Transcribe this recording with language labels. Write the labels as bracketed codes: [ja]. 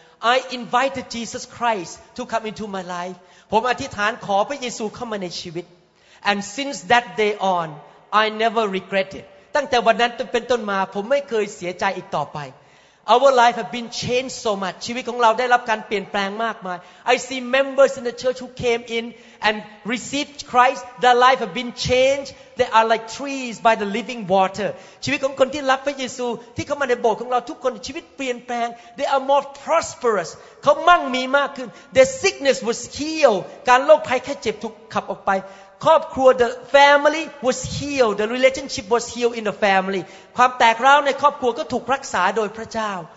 [en] I invited Jesus Christ to come into my life. [th] ผมอธิษฐานขอพระเยซูเข้ามาในชีวิต [en] And since that day on, I never regret it. [th] ตั้งแต่วันนั้นเป็นต้นมาผมไม่เคยเสียใจอีกต่อไป [en] Our life has been changed so much. [th] ชีวิตของเราได้รับการเปลี่ยนแปลงมากมาย [en] I see members in the church who came in and received Christ. Their life has been changed. They are like trees by the living water. [th] ชีวิตของคนที่รับพระเยซูที่เข้ามาในโบสถ์ของเราทุกคนชีวิตเปลี่ยนแปลง [en] They are more prosperous. [th] เขามั่งมีมากขึ้น [en] Their sickness was healed. [th] การโรคภัยแค่เจ็บถูกขับออกไปครอบครัว [en] the family was healed the relationship was healed in the family [th] ความแตกร้าวในครอบครัวก็ถูกรักษาโดยพระเจ้า